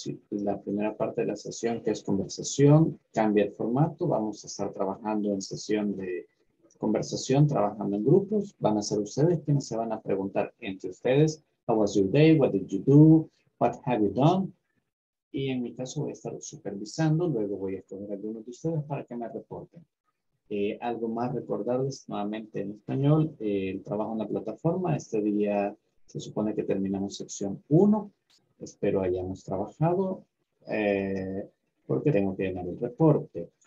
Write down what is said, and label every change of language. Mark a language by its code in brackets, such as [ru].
[es] La primera parte de la sesión, que es conversación, cambia el formato. Vamos a estar trabajando en sesión de conversación, trabajando en grupos. Van a ser ustedes quienes se van a preguntar entre ustedes, [en] how was your day, what did you do, what have you done? [es] Y en mi caso voy a estar supervisando, luego voy a escoger algunos de ustedes para que me reporten. Algo más recordarles nuevamente en español, el trabajo en la plataforma. Este día se supone que terminamos sección 1. Espero hayamos trabajado porque tengo que llenar el reporte.